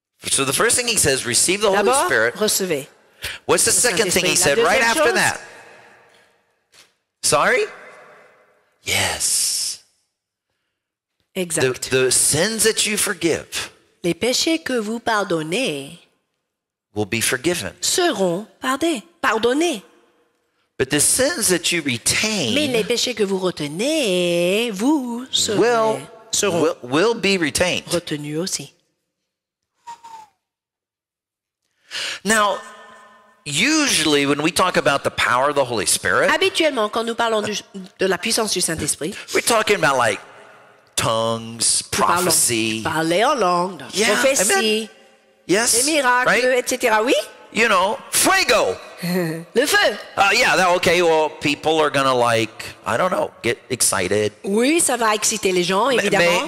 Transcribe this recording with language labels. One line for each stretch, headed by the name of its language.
English: So the first thing he says, receive the
French: D'abord,
English: Holy Spirit.
French: Recevez.
English: What's the second thing he said right after that? Sorry? Yes.
French: Exact.
English: The sins that you forgive.
French: Les péchés que vous pardonnez.
English: Will be forgiven.
French: Seront pardonnés.
English: But the sins that you retain.
French: Mais les péchés que vous retenez, vous serez,
English: will be retained.
French: Retenus aussi.
English: Now, usually when we talk about the power of the Holy Spirit.
French: Habituellement, quand nous parlons de la puissance du Saint-Esprit.
English: We're talking about like tongues, prophecy.
French: Parler en langue,
English: yeah,
French: prophétie.
English: Amen. Yes.
French: Les miracles,
English: right?
French: Etc. Oui.
English: You know, fuego.
French: Le feu.
English: Okay. Well, people are gonna like, I don't know, get excited.
French: Oui, ça va exciter les gens, évidemment.